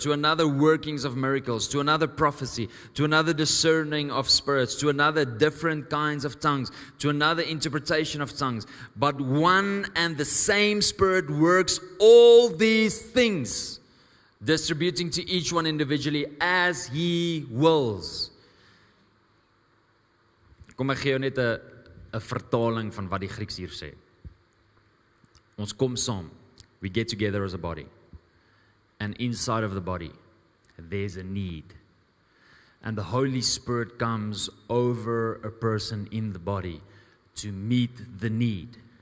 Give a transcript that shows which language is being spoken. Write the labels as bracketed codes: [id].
[en] To another, workings of miracles. To another, prophecy. To another, discerning of spirits. To another, different kinds of tongues. To another, interpretation of tongues. But one and the same Spirit works all these things, distributing to each one individually as He wills. [af] Kom, ek gee jou net 'n vertaling van wat die Grieks hier sê. Ons kom saam. [en] We get together as a body. And inside of the body, there's a need. And the Holy Spirit comes over a person in the body to meet the need.